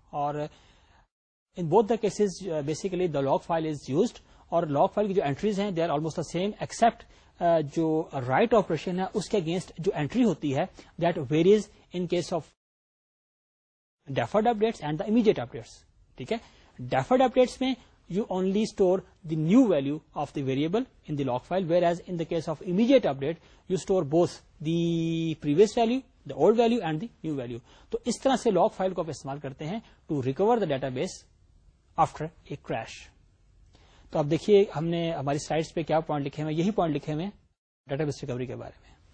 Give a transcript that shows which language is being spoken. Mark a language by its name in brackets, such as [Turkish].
[English] Aur in both the cases basically the log file is used, [Urdu] اور log file کی جو entries ہیں [English] they are almost the same, except [Urdu] جو write operation ہے اس کے against جو اینٹری ہوتی ہے [English] That varies in case of deferred updates and the immediate updates. [Urdu] ٹھیک ہے, ڈیفرڈ اپڈیٹس میں [English] You only store the new value of the variable in the log file, whereas in the case of immediate update you store both the previous value, the old value and the new value. [Urdu] تو اس طرح سے log file کو آپ استعمال کرتے ہیں [English] To recover the database after a crash. [Urdu] تو اب دیکھیے ہم نے ہماری سلائڈس پہ کیا پوائنٹ لکھے ہوئے, یہی پوائنٹ لکھے ہوئے ڈیٹا بیس ریکوری کے بارے میں.